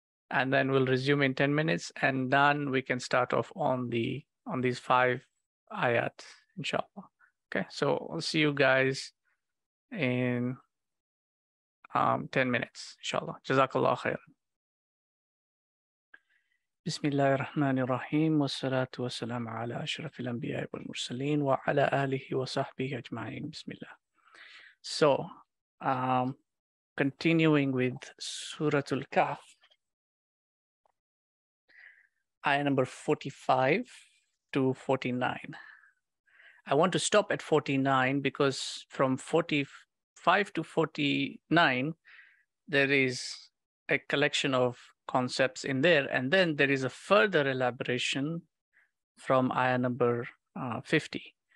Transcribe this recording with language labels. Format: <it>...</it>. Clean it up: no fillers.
<en>And then we'll resume in 10 minutes. And then we can start off on these five ayat, inshallah. Okay, so I'll see you guys in 10 minutes, inshallah. Jazakallah khair.</en> <ar>بسم الله الرحمن الرحيم والصلاة والسلام على أشرف الأنبياء والمرسلين وعلى أهله وصحبه أجمعين بسم الله.</ar> <en>So, continuing with Surah Al-Kahf, ayah number 45-49. I want to stop at 49 because from 45-49, there is a collection of concepts in there, and then there is a further elaboration from ayah number 50</en>